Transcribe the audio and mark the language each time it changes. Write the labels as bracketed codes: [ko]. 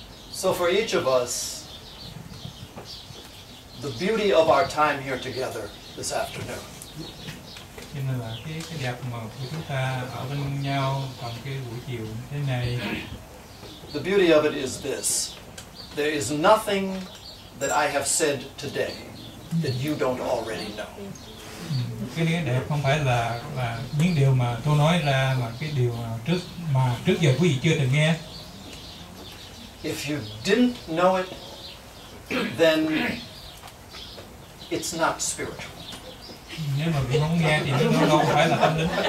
[en] So for each of us, the beauty of our time here together this afternoon. [vi] Nên là cái đẹp mà chúng ta ở bên nhau trong cái buổi chiều thế này. [en] The beauty of it is this. There is nothing that I have said today that you don't already know. [vi] Cái đẹp không phải là những điều mà tôi nói ra mà cái điều mà trước giờ quý vị chưa từng nghe. [en] If you didn't know it, then it's not spiritual. [vi] Nếu mà bị không nghe thì nó không phải là tâm linh.